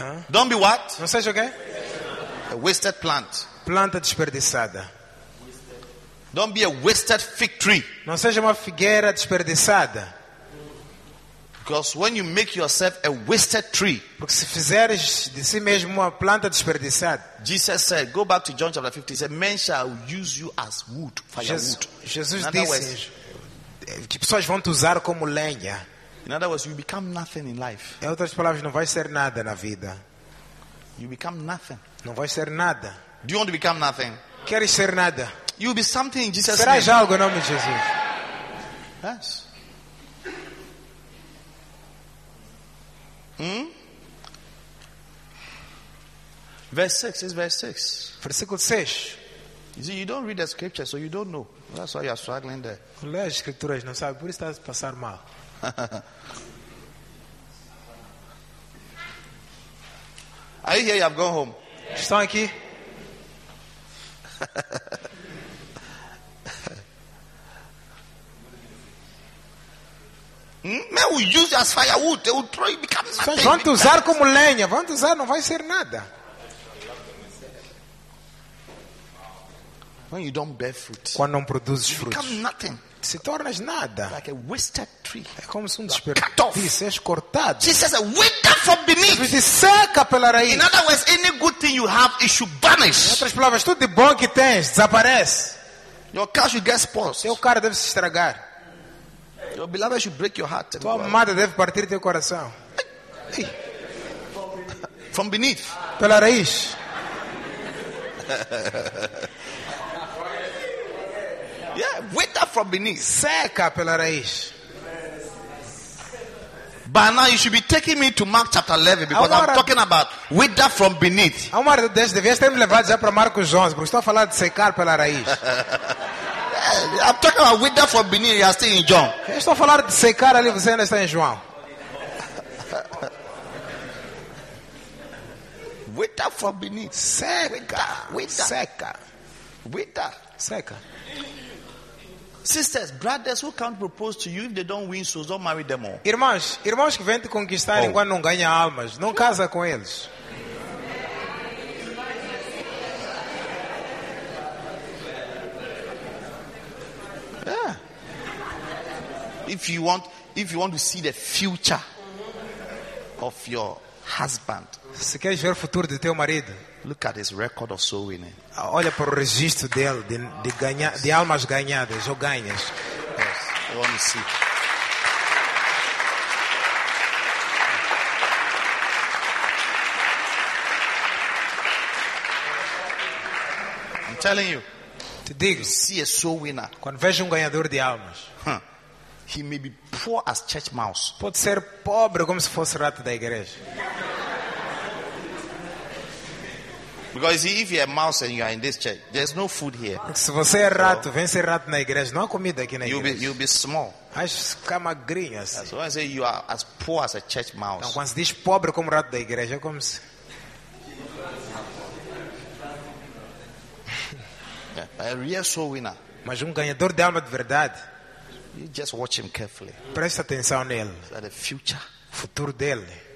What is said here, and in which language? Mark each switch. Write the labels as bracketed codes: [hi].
[en] Don't be what? [pt] Não seja o quê? [en] A wasted plant. [pt] Planta desperdiçada. [en] Don't be a wasted fig tree. [pt] Não seja uma figueira desperdiçada. [en] Because when you make yourself a wasted tree, [pt] porque se fizeres de si mesmo uma planta desperdiçada, [en] Jesus said, go back to John chapter 15, said, men shall use you as wood, firewood. [pt] Jesus disse, que pessoas vão te usar como lenha. [en] In other words, you become nothing in life. [pt] Em outras palavras, não vai ser nada na vida. [en] You become nothing. [pt] Não vai ser nada. [en] Do you want to become nothing? [pt] Queres ser nada? [en] You will be something in Jesus' [pt] Serás Serás algo em nome de Jesus. [en] Yes. Verse 6. You see, you don't read the scripture, so you don't know. That's why you are struggling there. [pt] Lê as escrituras, não sabe por isso está a passar mal. [en] Are you here? You have gone home. [pt] Estão aqui. [en] Men will use you as firewood. They will throw you become nothing. [pt] Vão te usar como lenha. Vão te usar, não vai ser nada. [en] When you don't bear fruit, [pt] quando não produzes frutos, [en] become nothing. [pt] Se tornas nada. [en] Like a wasted tree. [pt] É como se um desperdício. És cortado. [en] Jesus, wither from beneath. [pt] Jesus diz, seca pela raiz. [en] In other words, any good thing you have, it should vanish. [pt] Em outras palavras, tudo de bom que tens desaparece. [en] Your car should get spoiled. [pt] Seu carro deve se estragar. [en] Your beloved should break your heart. [pt] Tua amada deve partir teu coração. [en] From beneath. [pt] Pela raiz. [en] Yeah, wither from beneath. [pt] Seca pela raiz. [en] By now you should be taking me to Mark chapter 11 because [pt] agora, [en] I'm talking about wither from beneath. [pt] Amor de Deus, devias ter me levado já para Marcos 11 porque estou a falar de secar pela raiz. [en] Yeah, I'm talking about wither from beneath. You are still in John. [pt] Eu estou a falar de secar ali, você ainda está em João. [en] Wither from beneath. [pt] Seca. [en] Wither. [pt] Seca. [en] Wither. [pt] Seca. [en] Sisters, brothers who can't propose to you if they don't win souls, don't marry them all. [pt] Irmãos, irmãos que vêm te conquistar enquanto não ganha almas, não casa com eles. [en] Yeah. If you want, if you want to see the future of your husband, [pt] se queres ver o futuro do teu marido, [en] look at his record of soul winning. [pt] Olha para o registro dele de ganhar, de almas ganhadas ou ganhas. [en] Yes, you want to see. I'm telling you. [pt] Te digo, [en] see a soul winner. [pt] Quando vejo ganhador de almas, [en] he may be poor as church mouse. [pt] Pode ser pobre como se fosse rato da igreja. [en] Because if you're a mouse and you are in this church, there's no food here. [pt] Porque se você é rato, vem ser rato na igreja, não há comida aqui na igreja. [en] You'll be small. [pt] Vai ficar magrinho assim. [en] So when I say you are as poor as a church mouse. [pt] Então quando se diz pobre como rato da igreja, é como se... [en] A real soul winner. [pt] Mas ganhador de alma de verdade. [en] You just watch him carefully. [pt] Presta atenção nele. [en] Is that the future? [pt] Futuro dele.